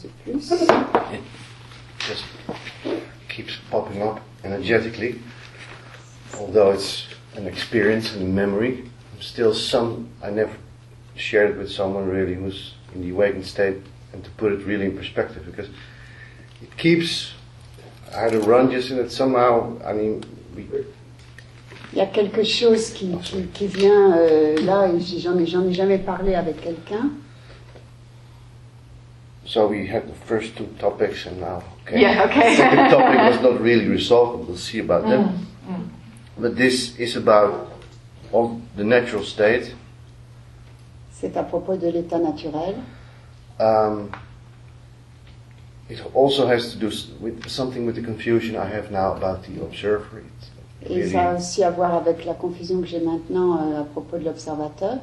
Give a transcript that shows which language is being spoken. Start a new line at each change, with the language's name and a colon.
English: It just keeps popping up energetically, although it's an experience and a memory. I never shared it with someone really who's in the awakened state, and to put it really in perspective, because it keeps, I had a run just in it somehow. I mean, we.
French: Il y a quelque chose qui vient là, et j'en ai jamais parlé avec quelqu'un.
English: So we had the first two topics and now, okay. Yeah, okay. The second topic was not really resolved, we'll see about that. But this is about all the natural state.
French: C'est à propos de l'état naturel.
English: It also has to do with something with the confusion I have now about the observer.
French: Et ça a aussi à voir avec la confusion que j'ai maintenant à propos de l'observateur.